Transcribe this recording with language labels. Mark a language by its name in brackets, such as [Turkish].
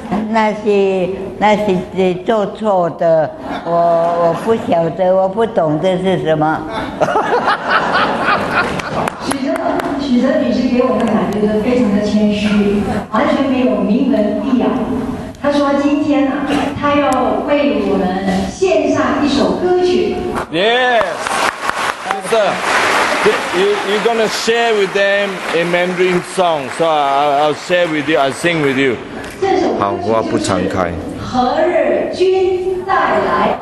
[Chinese] 那是做错的，我不晓得，我不懂这是什么。许哲女士给我的感觉就是非常的谦虚，完全没有名门必要。她说今天呢、她要为我们献上一首歌曲。 [English] Yes, sir. You're going to share with them a Mandarin song, so I'll share with you, I'll sing with you. [Chinese] 这首歌曲就是何日君再来。